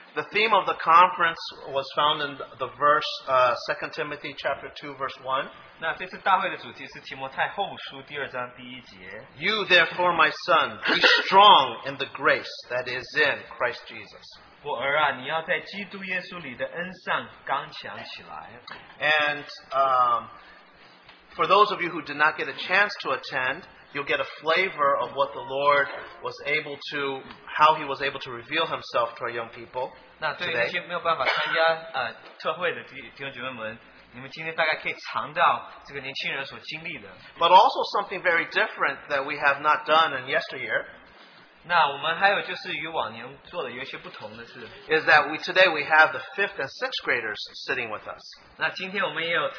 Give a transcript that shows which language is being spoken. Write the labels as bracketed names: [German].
[English] The theme of the conference was found in the verse 2 Timothy chapter 2 verse 1. [Chinese] 那这次大会的主题是提摩太后书第二章第一节。 [English] You therefore, my son, be strong in the grace that is in Christ Jesus. [Chinese] 我儿啊,你要在基督耶稣里的恩上刚强起来。 [English] And for those of you who did not get a chance to attend, you'll get a flavor of what the Lord was able to, how he was able to reveal himself to our young people today. [Chinese] 你们今天大概可以尝到这个年轻人所经历的。 [English] But also something very different that we have not done in yesteryear. [Chinese] 那我们还有就是与往年做的有一些不同的是。 [English] Is that today we have the 5th and 6th graders sitting with us.